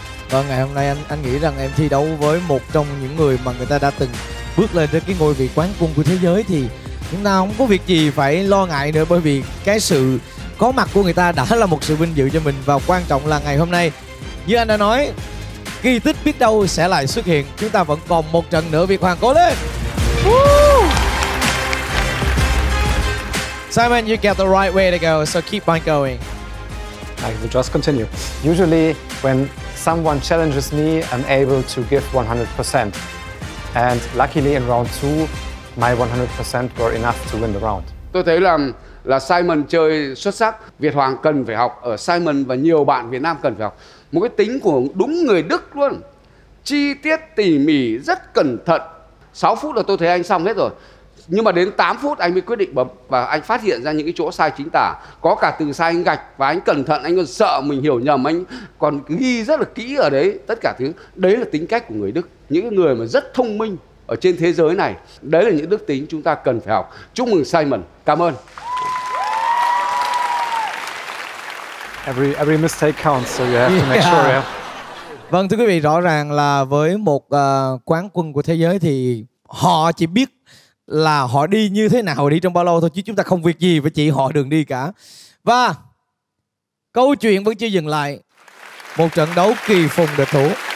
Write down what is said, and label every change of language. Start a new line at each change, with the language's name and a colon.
Vietnamese: Và ngày hôm nay anh nghĩ rằng em thi đấu với một trong những người mà người ta đã từng bước lên tới cái ngôi vị quán quân của thế giới, thì chúng ta không có việc gì phải lo ngại nữa, bởi vì cái sự có mặt của người ta đã là một sự vinh dự cho mình. Và quan trọng là ngày hôm nay, như anh đã nói, kỳ tích biết đâu sẽ lại xuất hiện. Chúng ta vẫn còn một trận nữa. Việt Hoàng, cố lên.
English: Simon, you get the right way to go, so keep on going. I will just continue. Usually when someone challenges me, I'm able to give 100%. And luckily in round 2, my 100% were enough to win the round.
Vietnamese: Tôi thấy là Simon chơi xuất sắc. Việt Hoàng cần phải học ở Simon và nhiều bạn Việt Nam cần phải học. Một cái tính của đúng người Đức luôn. Chi tiết tỉ mỉ, rất cẩn thận. 6 phút là tôi thấy anh xong hết rồi. Nhưng mà đến 8 phút anh mới quyết định bấm và anh phát hiện ra những cái chỗ sai chính tả, có cả từ sai anh gạch, và anh cẩn thận, anh còn sợ mình hiểu nhầm, anh còn ghi rất là kỹ ở đấy tất cả thứ. Đấy là tính cách của người Đức, những người mà rất thông minh ở trên thế giới này, đấy là những đức tính chúng ta cần phải học. Chúc mừng Simon, cảm ơn.
English: Every mistake counts, so you have to make sure. Yeah.
Vietnamese: Vâng, thưa quý vị, rõ ràng là với một quán quân của thế giới thì họ chỉ biết là họ đi như thế nào, đi trong bao lâu thôi, chứ chúng ta không việc gì với chỉ họ đường đi cả. Và câu chuyện vẫn chưa dừng lại. Một trận đấu kỳ phùng địch thủ.